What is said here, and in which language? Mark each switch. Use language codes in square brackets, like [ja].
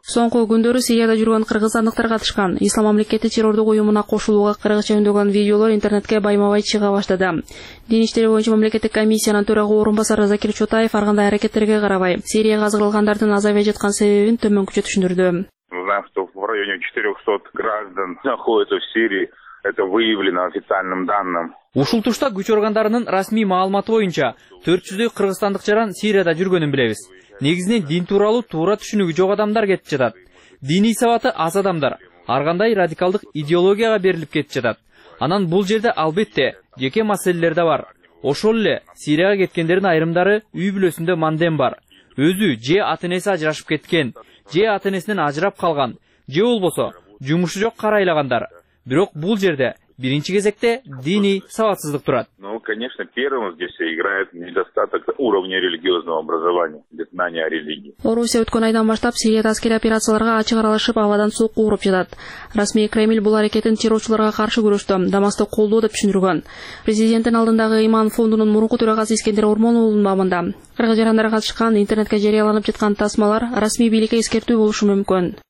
[ky] Соңку күндөрү Сирияда жүргөн кыргыз андыктар катышкан Ислам мамлекети террордук уюмуна кошулууга кыргызча үндөгөн видеолор интернетке байма-бай чыга баштады. Дин иштери боюнча мамлекеттик комиссиянын төрагы орун басары Закир Чотаев ар кандай аракеттерге карабай Сирияга азгырылгандардын азайып жаткан себебин төмөнкүчө түшүндүрдү. [ru] Мы знаем, что в районе 400 граждан находятся в Сирии. Это выявлено официальным данным. [ky] Ушул тушта күч органдарынын расмий маалыматы боюнча 400 кыргызстандык жаран Сирияда жүргөнүн билебиз. Негизинен дин тууралуу туура түшүнүгү жок адамдар кетип жатат. Диний сабаты аз адамдар ар кандай радикалдык идеологияга берилип кетип жатат. Анан бул жерде албетте жеке маселелер да бар. Ошол эле Сирияга кеткендердин айрымдары үй бүлөсүндө мандем бар. Өзү же ата энеси ажырашып кеткен, же ата энесинен ажырап калган, же болбосо жумушу жок карайлагандар. Бирок бул жерде биринчи кезекте диний сабатсыздык турат. [ru] Ну, конечно, первым здесь играет недостаток уровня религиозного образования, знания о религии. [ky] Орусия өткөн айдан баштап Сирияда аскерий операцияларга ачык аралашып, абадан суук кууруп жатат. Расмий Кремль бул аракетин террорчуларга каршы күрөштө Дамаскты колдоо деп түшүндүргөн. Президенттин алдындагы Иман фондунун мурунку төрагасы Искендер Ормонулунун мамында кыргыз жарандары катышкан интернетке жарыяланып жаткан тасмалар расмий бийликке эскертүү болушу мүмкүн.